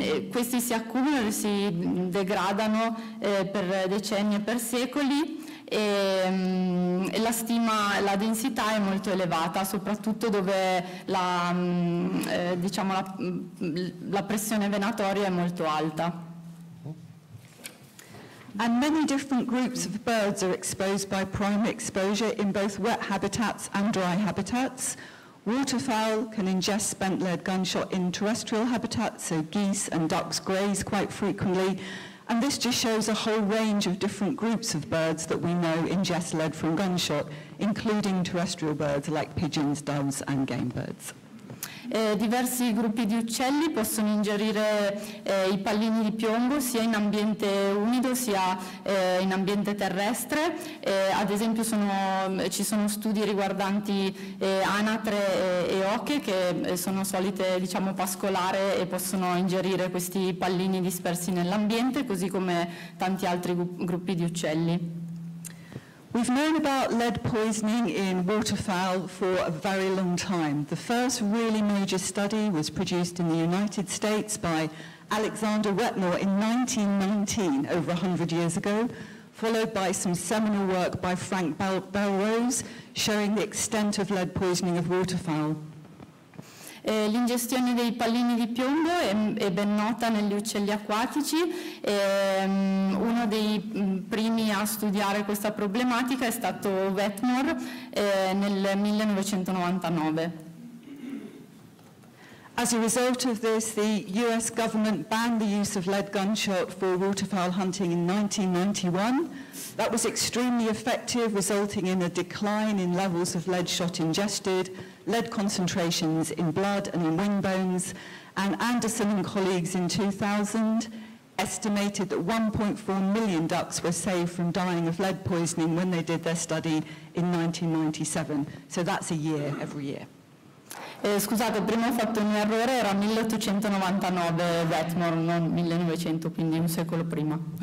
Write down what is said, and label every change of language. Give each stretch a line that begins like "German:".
Italian: Questi si accumulano e si degradano per decenni e per secoli, e la densità è molto elevata, soprattutto dove la pressione venatoria è molto alta.
English: And many different groups of birds are exposed by primary exposure in both wet habitats and dry habitats. Waterfowl can ingest spent lead gunshot in terrestrial habitats, so geese and ducks graze quite frequently. And this just shows a whole range of different groups of birds that we know ingest lead from gunshot, including terrestrial birds like pigeons, doves and game birds.
Italian: Diversi gruppi di uccelli possono ingerire i pallini di piombo sia in ambiente umido sia in ambiente terrestre. Ad esempio ci sono studi riguardanti anatre e oche che sono solite pascolare e possono ingerire questi pallini dispersi nell'ambiente, così come tanti altri gruppi di uccelli.
English: We've known about lead poisoning in waterfowl for a very long time. The first really major study was produced in the United States by Alexander Wetmore in 1919, over 100 years ago, followed by some seminal work by Frank Belrose showing the extent of lead poisoning of waterfowl.
Italian: L'ingestione dei pallini di piombo è ben nota negli uccelli acquatici. Uno dei primi a studiare questa problematica è stato Wetmore nel 1999.
English: As a result of this, the US government banned the use of lead gunshot for waterfowl hunting in 1991. That was extremely effective, resulting in a decline in levels of lead shot ingested, lead concentrations in blood and in wing bones. And Anderson and colleagues in 2000 estimated that 1.4 million ducks were saved from dying of lead poisoning when they did their study in 1997. So that's a year, every year.
Italian: Scusate, prima ho fatto un errore, era 1899 Wetmore, non 1900, quindi un secolo prima.